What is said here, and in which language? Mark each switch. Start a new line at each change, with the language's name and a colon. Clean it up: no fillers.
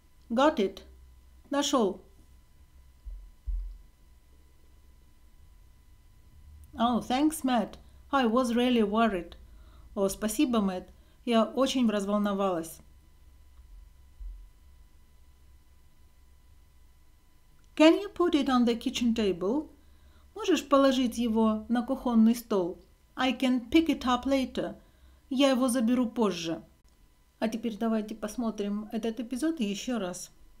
English: Got it.
Russian: Нашел.
English: Oh, thanks, Matt. I was really worried.
Russian: О, спасибо, Мэтт. Я очень разволновалась.
English: Can you put it on the kitchen table?
Russian: Можешь положить его на кухонный стол?
English: I can pick it up later.
Russian: Я его заберу позже. А теперь давайте посмотрим этот эпизод еще раз.